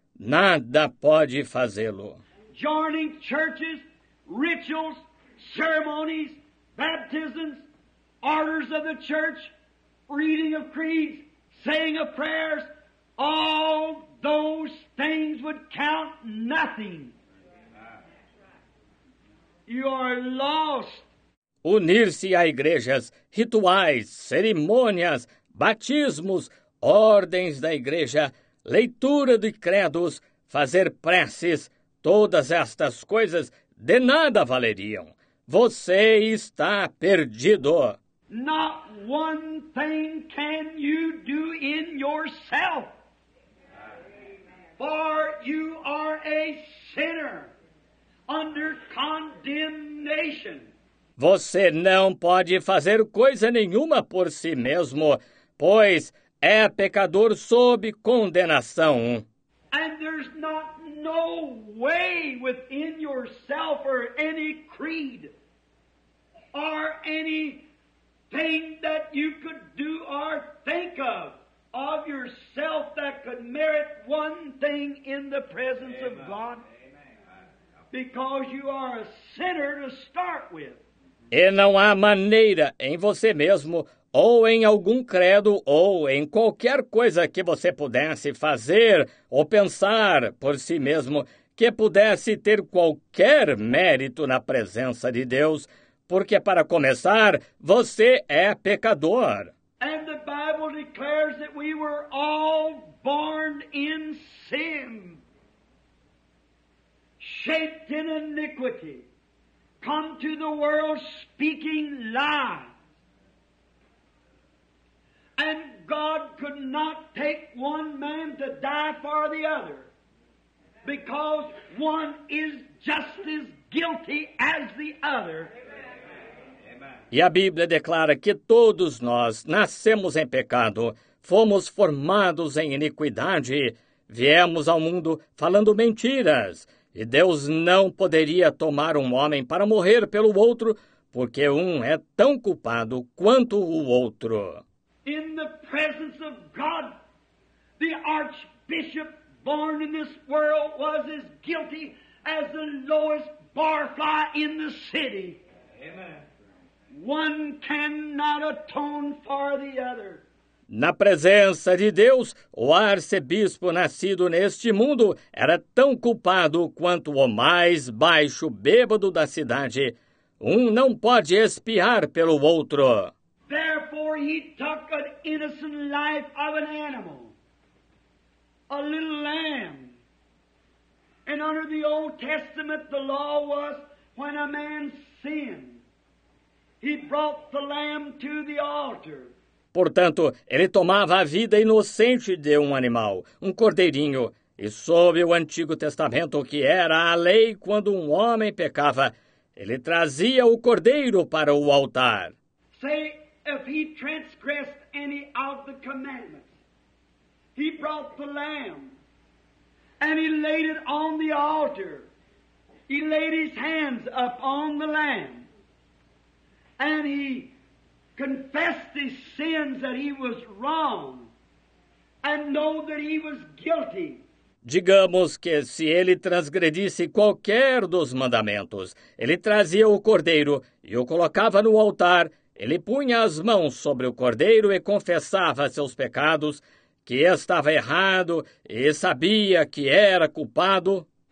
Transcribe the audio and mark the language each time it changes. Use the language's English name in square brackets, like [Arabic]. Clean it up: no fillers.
[Portuguese] Nada pode fazê-lo. [English] Joining churches, rituals, ceremonies, baptisms, orders of the church, reading of creeds, saying of prayers, all those things would count nothing. You are lost. [Portuguese] Unir-se a igrejas, rituais, cerimônias, batismos, ordens da igreja, leitura de credos, fazer preces, todas estas coisas de nada valeriam. Você está perdido. [English] Not one thing can you do in yourself, for you are a sinner under condemnation. [Portuguese] Você não pode fazer coisa nenhuma por si mesmo, pois é pecador sob condenação. [English] And there's not no way within yourself or any creed or any thing that you could do or think of yourself that could merit one thing in the presence of God, because you are a sinner to start with. [Portuguese] E não há maneira em você mesmo, ou em algum credo, ou em qualquer coisa que você pudesse fazer ou pensar por si mesmo, que pudesse ter qualquer mérito na presença de Deus, porque, para começar, você é pecador. [English] And the Bible declares that we were all born in sin, shaped in iniquity, come to the world speaking lies. And God could not take one man to die for the other, because one is just as guilty as the other. [Portuguese] E a Bíblia declara que todos nós nascemos em pecado, fomos formados em iniquidade, viemos ao mundo falando mentiras, e Deus não poderia tomar um homem para morrer pelo outro, porque um é tão culpado quanto o outro. [English] In the presence of God, the archbishop born in this world was as guilty as the lowest barfly in the city. Amen. One cannot atone for the other. [Portuguese] Na presença de Deus, o arcebispo nascido neste mundo era tão culpado quanto o mais baixo bêbado da cidade. Um não pode espiar pelo outro. [English] Therefore, he took an innocent life of an animal, a little lamb. And under the Old Testament, the law was when a man sinned, he brought the lamb to the altar. [Portuguese] Portanto, ele tomava a vida inocente de um animal, um cordeirinho. E sob o Antigo Testamento, que era a lei quando um homem pecava, ele trazia o cordeiro para o altar. [English] Say, if he transgressed any of the commandments, he brought the lamb. and he laid it on the altar. He laid his hands up on the Lamb, and he confessed his sins, that he was wrong, and know that he was guilty. [Portuguese] Digamos que se ele transgredisse qualquer dos mandamentos, ele trazia o cordeiro e o colocava no altar, ele punha as mãos sobre o cordeiro e confessava seus pecados, que estava errado e sabia que era culpado.